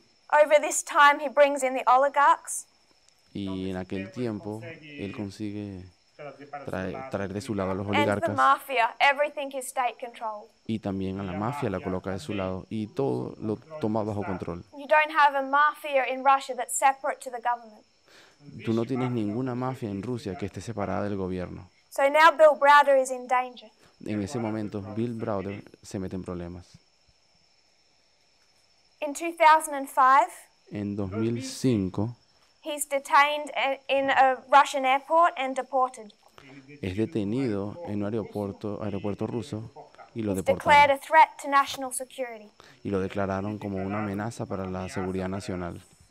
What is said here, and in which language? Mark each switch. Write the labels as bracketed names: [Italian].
[English] Over this time, he brings in the oligarchs. [Spanish] Y en aquel tiempo, él consigue traer de su lado a los oligarcas. [English] And the mafia, everything is state controlled. [Spanish] Y también a la mafia la coloca de su lado y todo lo toma bajo control. [English] You don't have a mafia in Russia that's separate to the government. [Spanish] Tú no tienes ninguna mafia en Rusia que esté separada del gobierno. [English] So now Bill Browder is in danger. [Spanish] En ese momento, Bill Browder se mete en problemas. [English] In 2005, [Spanish] en 2005, [English] he's detained in a Russian airport and deported. [Spanish] Es detenido en un aeropuerto ruso y lo deportaron. [English] He's declared a threat to national security. [Spanish] Y lo declararon como una amenaza para la seguridad nacional.